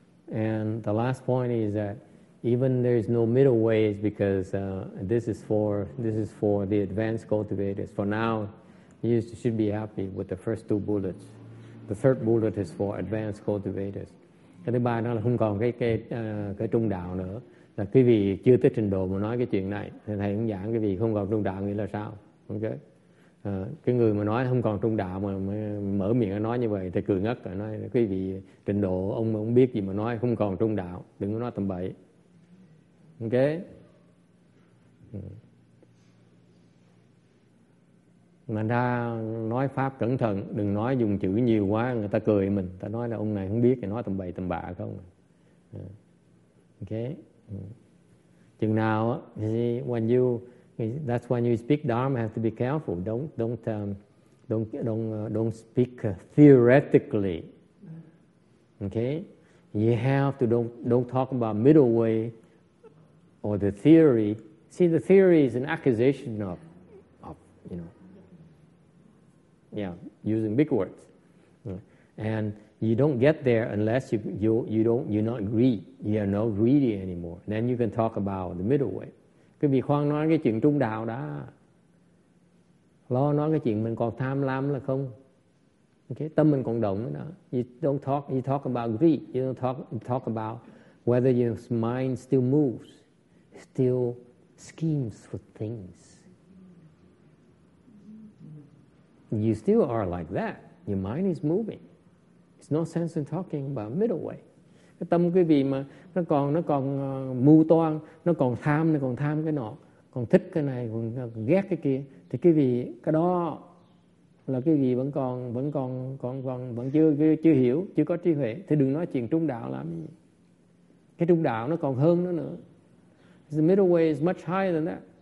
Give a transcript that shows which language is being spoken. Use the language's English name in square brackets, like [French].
[English] And the last point is that even there is no middle way is because this is for the advanced cultivators. For now, you should be happy with the first two bullets. The third bullet is for advanced cultivators. [Vietnamese] Cái thứ ba đó là không còn cái trung đạo nữa. Là quý vị chưa tới trình độ mà nói cái chuyện này. Thì thầy cũng giảng quý vị không còn trung đạo nghĩa là sao? Ok. Cái người mà nói không còn trung đạo mà mở miệng nói như vậy thì cười ngất rồi, nói quý vị trình độ ông không biết gì mà nói không còn trung đạo, đừng có nói tầm bậy. Ok. Mà ra nói pháp cẩn thận, đừng nói dùng chữ nhiều quá người ta cười mình, ta nói là ông này không biết thì nói tầm bậy tầm bạ không. Ok. Chừng nào [English] that's when you speak Dharma, have to be careful. Don't speak theoretically. Okay, you have to don't talk about middle way or the theory. See, the theory is an accusation of you know. Yeah, using big words, and you don't get there unless you're not greedy. You are not greedy anymore. Then you can talk about the middle way. [Vietnamese] Cái vị khoan nói cái chuyện trung đạo đó, lo nói cái chuyện mình còn tham lam là không, okay, tâm mình còn động đó. [English] You talk about greed, you talk about whether your mind still moves, still schemes for things. You still are like that. Your mind is moving. It's no sense in talking about middle way. [Vietnamese] Cái tâm quý vị mà nó còn mưu toan, nó còn tham cái nọ, còn thích cái này, còn ghét cái kia, thì quý vị cái đó là quý vị vẫn chưa hiểu, chưa có trí huệ, thì đừng nói chuyện trung đạo làm gì. Cái trung đạo nó còn hơn nó nữa. [English] The middle way is much higher than that.